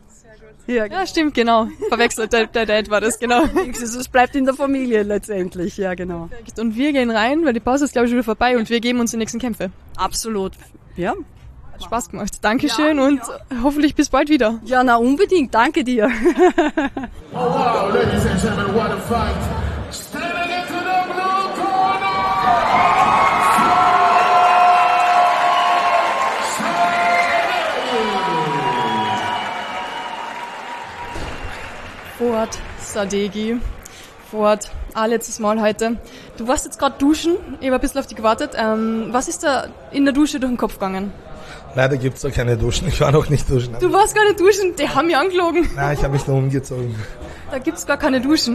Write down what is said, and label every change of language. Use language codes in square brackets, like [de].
[de] Sehr gut. Ja, stimmt, genau. Verwechselt, der Dad war das, genau. Es bleibt in der Familie letztendlich, ja genau. Perfekt. Und wir gehen rein, weil die Pause ist, glaube ich, wieder vorbei und wir geben uns die nächsten Kämpfe. Absolut, ja. Spaß gemacht. Dankeschön ja, und hoffentlich bis bald wieder. Ja, na unbedingt. Danke dir. [en] Oh wow, ladies and gentlemen, what a fight. Stepping into the blue corner. Fuad Sadeghi. [de] Fuad, allerletztes Mal heute. Du warst jetzt gerade duschen. Ich habe ein bisschen auf dich gewartet. Was ist da in der Dusche durch den Kopf gegangen? Leider gibt es da keine Duschen. Ich war noch nicht duschen. Du warst gar nicht duschen? Die haben mich angelogen. Nein, ich habe mich da umgezogen. Da gibt es gar keine Duschen.